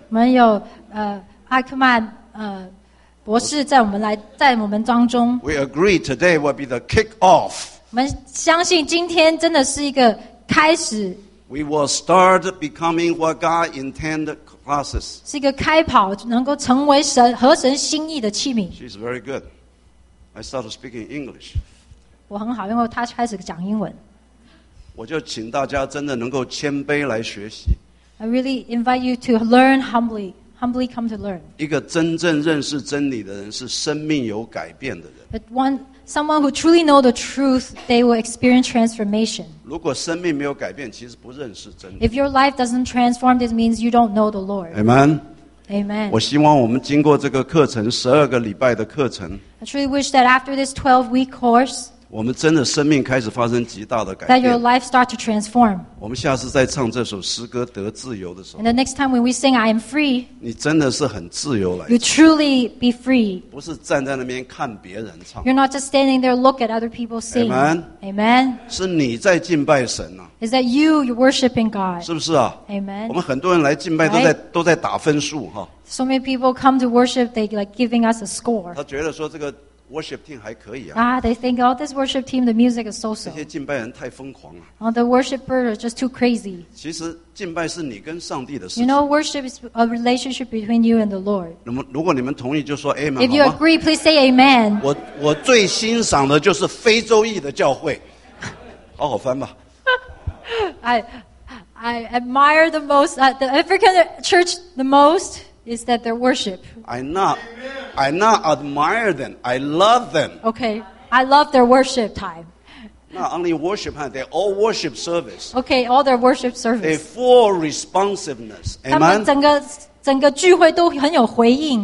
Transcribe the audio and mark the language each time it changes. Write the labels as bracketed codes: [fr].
[zh] 我们有艾克曼博士在在我们当中。 [en] We agree today will be the kick off. [zh] 我们相信今天真的是一个开始。 [en] We will start becoming what God intended classes. [zh] 是一个开跑，能够成为神合神心意的器皿。 [en] She's very good. I started speaking English. [zh] 我很好，因为她开始讲英文。我就请大家真的能够谦卑来学习。 [en] I really invite you to learn humbly. Humbly come to learn. [zh] 一个真正认识真理的人是生命有改变的人。 [en] But someone who truly know the truth, they will experience transformation. [zh] 如果生命没有改变，其实不认识真理。 [en] If your life doesn't transform, this means you don't know the Lord. Amen. Amen. [zh] 我希望我们经过这个课程，十二个礼拜的课程。 [en] I truly wish that after this 12-week course. [zh] 我们真的生命开始发生极大的改变。 [en] That your life start to transform. [zh] 我们下次再唱这首诗歌《得自由》的时候。 [en] And the next time when we sing "I am free." [zh] 你真的是很自由来。 [en] You truly be free. [zh] 不是站在那边看别人唱。 [en] You're not just standing there look at other people sing. Amen. Amen. [zh] 是你在敬拜神呐、啊。 [en] Is that you? You're worshiping God. [zh] 是不是啊 [en] ？Amen. [zh] 我们很多人来敬拜都在打分数哈。 [en] So many people come to worship. They like giving us a score. [zh] 他觉得说这个。Worship team 还可以啊。 [en] Ah, they think, oh, this worship team, the music is so-so. [zh] 这些敬拜人太疯狂了。 [en] Oh, the worshippers are just too crazy. [zh] 其实敬拜是你跟上帝的事。 [en] You know, worship is a relationship between you and the Lord. [zh] 那么，如果你们同意，就说 Amen 好吗 [en] ？If you agree, please say Amen. [zh] 我最欣赏的就是非洲裔的教会，好好翻吧。 [en] I admire the most the African church the most. Is that their worship? I not admire them. I love them. Okay, I love their worship time. Not only worship time, they all worship service. Okay, all their worship service. They full responsiveness. Amen. [zh] 他们整个聚会都很有回应。